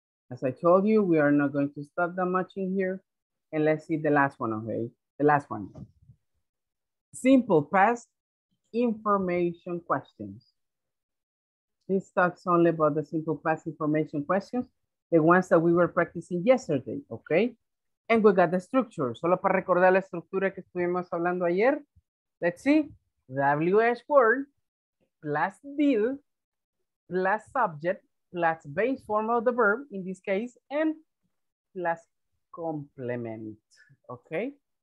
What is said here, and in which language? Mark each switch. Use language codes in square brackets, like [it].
[en] As I told you, we are not going to stop that much in here. And let's see the last one, okay? The last one. Simple past information questions. This talks only about the simple past information questions, the ones that we were practicing yesterday, okay? And we got the structure. [es] Solo para recordar la estructura que estuvimos hablando ayer. [en] Let's see. WH word plus did. Plus subject, plus base form of the verb, in this case, and plus complement, okay?